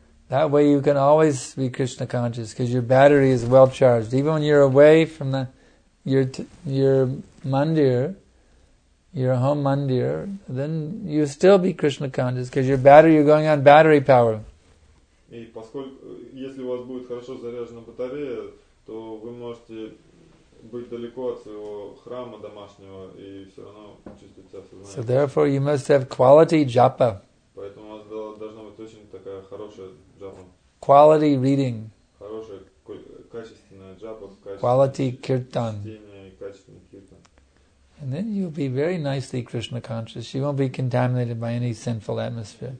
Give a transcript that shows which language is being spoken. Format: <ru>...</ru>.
<en>That way you can always be Krishna conscious because your battery is well charged. Even when you're away from your mandir, your home mandir, then you still be Krishna conscious because your battery, you're going on battery power.</en> <ru>И поскольку если у вас будет хорошо заряжена батарея, то вы можете быть далеко от своего храма домашнего и все равно чувствовать себя сознанием.</ru> <en>So therefore you must have quality japa.</en> <ru>Поэтому у вас должна быть очень такая хорошая джапа.</ru> <en>Quality reading.</en> <ru>Хорошая качественная джапа.</ru> <en>Quality kirtan.</en> <ru>Качественный kirtan.</ru> <en>And then you'll be very nicely Krishna conscious. You won't be contaminated by any sinful atmosphere.</en>